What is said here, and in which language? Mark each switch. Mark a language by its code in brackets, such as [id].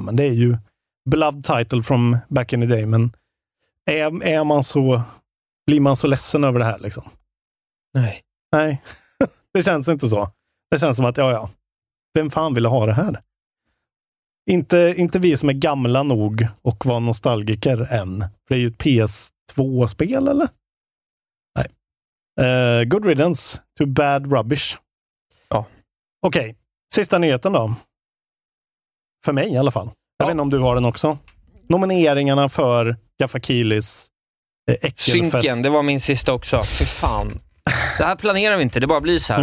[sv] Men det är ju Blood Title [en] from back in the day. [sv] Men är man så, blir man så ledsen över det här liksom? Nej. Nej, det känns inte så. Det känns som att ja. Vem fan ville ha det här? Inte vi som är gamla nog och var nostalgiker än. För det är ju ett PS2-spel, eller? Nej. [en] Good riddance to bad rubbish. [sv] Ja. Okej, sista nyheten då. För mig i alla fall. Jag vet inte om du har den också. Nomineringarna för Gaffakilis Äckelfest. Synken, det var min sista också. Fy fan. Det här planerar vi inte, det bara blir så här.